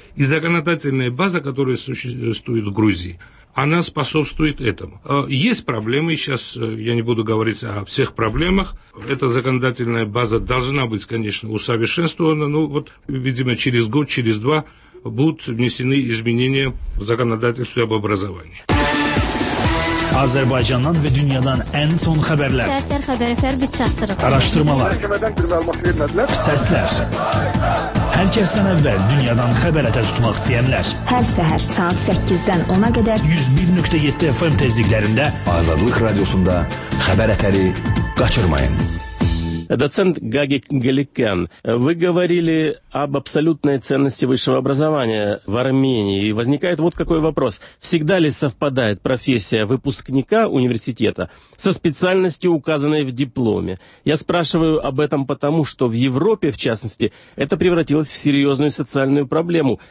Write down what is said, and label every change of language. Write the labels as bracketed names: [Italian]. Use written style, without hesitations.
[Russian] И законодательная база, которая существует в Грузии, она способствует этому. Есть проблемы, сейчас я не буду говорить о всех проблемах. Эта законодательная база должна быть, конечно, усовершенствована, но вот, видимо, через год, через два будут внесены изменения в законодательство об образовании. [Azerbaijani] Azərbaycandan və dünyadan ən son xəbərlər. Təsir xəbərlər biz çatdırırıq. Araşdırmalar. Səslər. Hər kəsdən əvvəl dünyadan xəbər ətə tutmaq istəyənlər. Hər səhər saat 8-dən 10-a qədər 101.7 FM tezliklərində Azadlıq radiosunda xəbər ətəri qaçırmayın. [Russian] Доцент Гаги Галикян, вы говорили об абсолютной ценности высшего образования в Армении. И возникает вот какой вопрос. Всегда ли совпадает профессия выпускника университета со специальностью, указанной в дипломе? Я спрашиваю об этом потому, что в Европе, в частности, это превратилось в серьезную социальную проблему.